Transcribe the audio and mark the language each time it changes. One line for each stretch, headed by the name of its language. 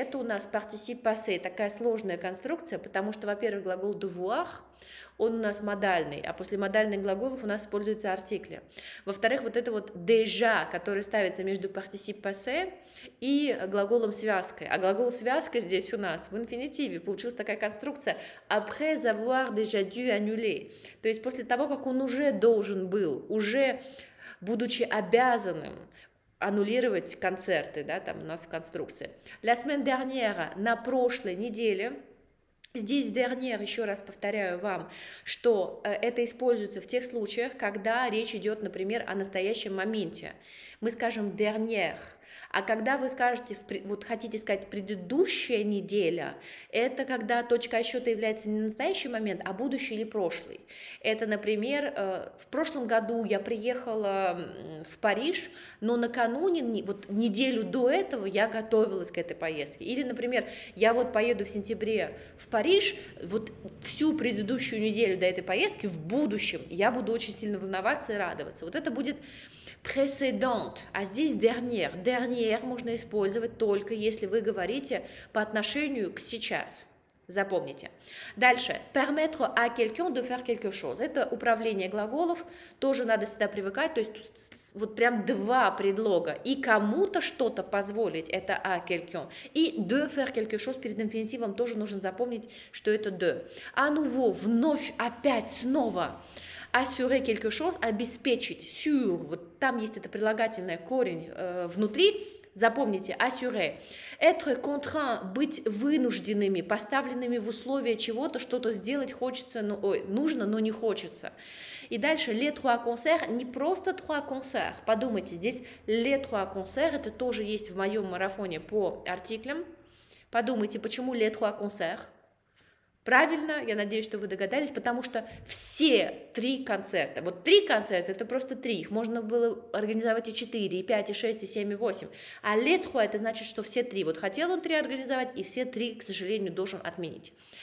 Russian: Это у нас particip passé, такая сложная конструкция, потому что, во-первых, глагол «devoir» он у нас модальный, а после модальных глаголов у нас используются артикли. Во-вторых, вот это вот déjà, которое ставится между particip passé и глаголом связкой. А глагол связка здесь у нас в инфинитиве. Получилась такая конструкция
French: après avoir déjà dû annuler.
Russian: То есть после того, как он уже должен был, уже будучи обязанным аннулировать концерты, да, там у нас в конструкции.
French: La semaine dernière,
Russian: на прошлой неделе. Здесь dernière, еще раз повторяю вам, что это используется в тех случаях, когда речь идет, например, о настоящем моменте. Мы скажем dernière, а когда вы скажете, вот хотите сказать предыдущая неделя, это когда точка отсчета является не настоящий момент, а будущий или прошлый. Это, например, в прошлом году я приехала в Париж, но накануне, вот неделю до этого я готовилась к этой поездке. Или, например, я вот поеду в сентябре в Париж, вот всю предыдущую неделю до этой поездки в будущем я буду очень сильно волноваться и радоваться. Вот это будет précédente, а здесь dernière. Dernière можно использовать только если вы говорите по отношению к сейчас. Запомните. Дальше.
French: Permettre à quelqu'un de faire quelque chose.
Russian: Это управление глаголов. Тоже надо всегда привыкать. То есть вот прям два предлога. И кому-то что-то позволить.
French: Это à quelqu'un.
Russian: И
French: de faire quelque chose
Russian: перед инфинитивом тоже нужно запомнить, что это de. А ну во, вновь, опять, снова.
French: Assurer quelque chose, обеспечить. Sur.
Russian: Вот там есть это прилагательное корень внутри. Запомните, assurer.
French: Être contraint,
Russian: быть вынужденными, поставленными в условия чего-то, что-то сделать хочется, но, ой, нужно, но не хочется. И дальше,
French: les trois concerts,
Russian: не просто trois concerts. Подумайте, здесь
French: les trois concerts,
Russian: это тоже есть в моем марафоне по артиклям. Подумайте, почему
French: les trois concerts?
Russian: Правильно, я надеюсь, что вы догадались, потому что все три концерта, вот три концерта, это просто три, их можно было организовать и четыре, и пять, и шесть, и семь, и восемь, а летхуа, это значит, что все три, вот хотел он три организовать, и все три, к сожалению, должен отменить.